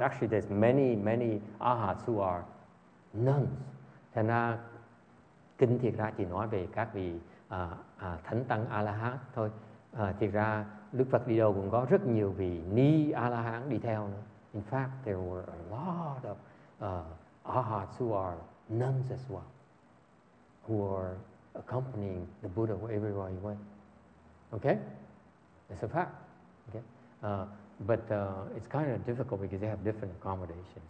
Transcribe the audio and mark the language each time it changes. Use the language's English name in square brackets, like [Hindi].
[English] Actually, there's many, many arhats who are nuns. [Vietnamese] Thành ra, kinh thiệt ra chỉ nói về các vị thánh tăng A-la-hát thôi. Thiệt ra, Đức Phật đi đâu cũng có rất nhiều vị ni A-la-hán đi theo nữa. [English] In fact, there were a lot of arhats who are nuns as well, who are accompanying the Buddha everywhere he went. Okay? It's a fact. Okay? But it's kind of difficult because they have different accommodations.